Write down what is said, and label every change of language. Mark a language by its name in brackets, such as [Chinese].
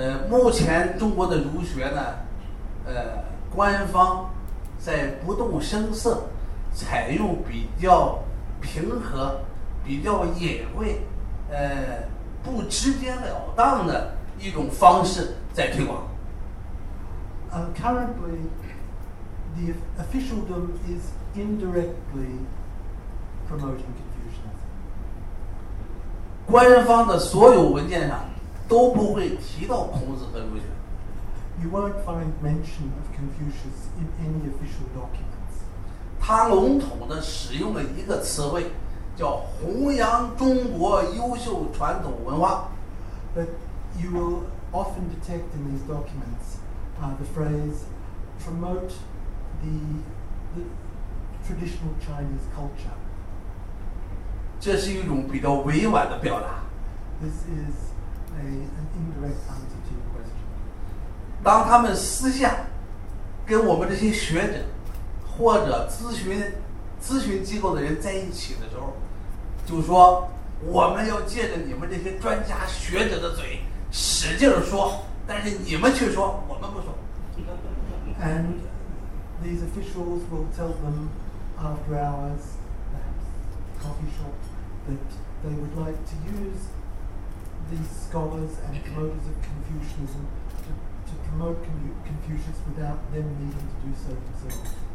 [Chinese] 目前中国的儒学呢，官方在不动声色，采用比较平和、比较隐晦、不直截了当的一种方式在推广。 [English] Currently, the officialdom is indirectly promoting Confucianism. [Chinese] 官方的所有文件上。都不会提到孔子和儒学。 [English] You won't find mention of Confucius in any official documents. [Chinese] 他笼统地使用了一个词汇，叫“弘扬中国优秀传统文化”。 [English] But you will often detect in these documents, the phrase "promote the traditional Chinese culture." [Chinese] 这是一种比较委婉的表达。 [English] This is an indirect answer to your question. [Chinese] 当他们私下跟我们这些学者或者咨询机构的人在一起的时候，就说我们要借着你们这些专家学者的嘴使劲说，但是你们却说我们不说。 [English] And these officials will tell them after hours at coffee shop that they would like to use. These scholars and promoters of Confucianism to promote Confucius without them needing to do so themselves.